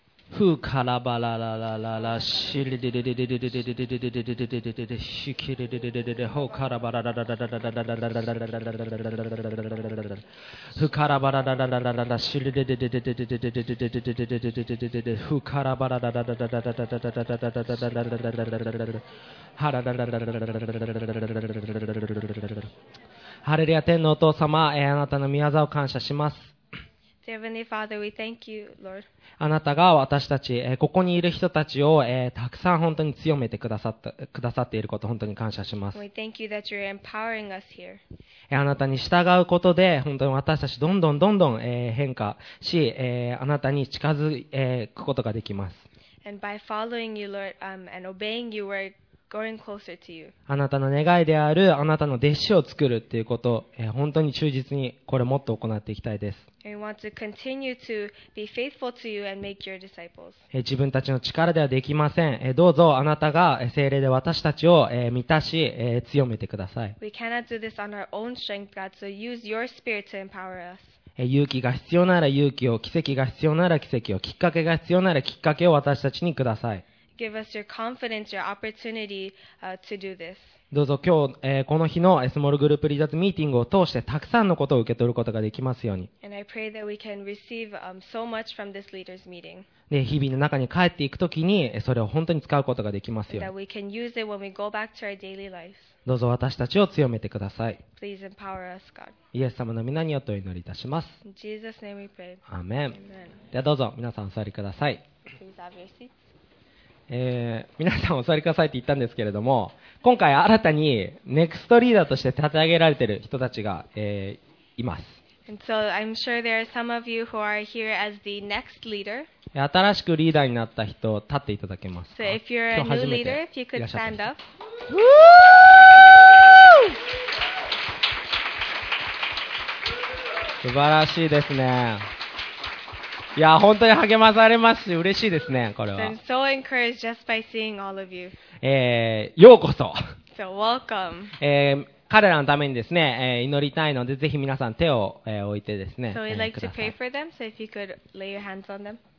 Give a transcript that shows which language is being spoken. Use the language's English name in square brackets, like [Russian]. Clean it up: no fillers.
[Japanese] ふうからばらららららしりりりりりりりりりりりりりりりりりりりりりりりりりりりほうからばらららららららららららららららららららららららららららららふうからばらららららららしりりりりりりりりりりりりりりりりりりりりりりふうからばらららららららららららららららららららららららららららはららららららららららららららららららららららららららハレルヤ天のお父様、あなたの御業を感謝します。 [English] Heavenly Father, we thank you, Lord. [Japanese] あなたが私たち、ここにいる人たちを、たくさん本当に強めてくださっていることを本当に感謝します。 [English] We thank you that you're empowering us here. [Japanese] あなたに従うことで本当に私たちどんどんどんどん、変化し、あなたに近づくことができます。 [English] And by following you, Lord, and obeying you, we're growing closer to you. [Japanese] あなたの願いであるあなたの弟子を作るっていうこと、本当に忠実にこれもっと行っていきたいです。 [English] We want to continue to be faithful to you and make your disciples. [Japanese] 自分たちの力ではできません。どうぞあなたが聖霊で私たちを満たし、強めてください。 [English] We cannot do this on our own strength, God, so use your spirit to empower us. [Japanese] 勇気が必要なら勇気を、奇跡が必要なら奇跡を、きっかけが必要ならきっかけを私たちにください。 [English] Give us your confidence, your opportunity, to do this. [Japanese] どうぞ今日、この日のスモールグループリーダーズミーティングを通してたくさんのことを受け取ることができますように。 [English] And I pray that we can receive, so much from this leaders meeting. [Japanese] で、日々の中に帰っていくときにそれを本当に使うことができますように。 [English] That we can use it when we go back to our daily lives. [Japanese] どうぞ私たちを強めてください。 [English] Please empower us, God. [Japanese] イエス様の御名によってお祈りいたします。 [English] In Jesus' name we pray. [Japanese] アーメン。ではどうぞ皆さんお座りください。 [English] Please have your seats. [Japanese] 皆さんお座りくださいって言ったんですけれども、今回新たにネクストリーダーとして立て上げられている人たちが、います。 [English] And so I'm sure there are some of you who are here as the next leader. [Japanese] 新しくリーダーになった人立っていただけますか。 [English] So if you're a new leader, if you could stand up. Woo! [Japanese] 素晴らしいですね。いや本当に励まされますし嬉しいですねこれは。 [English] I'm so encouraged just by seeing all of you. [Japanese] ようこそ。 [English] So welcome. [Japanese] 彼らのためにですね、祈りたいのでぜひ皆さん手を、置いてですね。 [English] So we'd like to pray for them. So if you could lay your hands on them.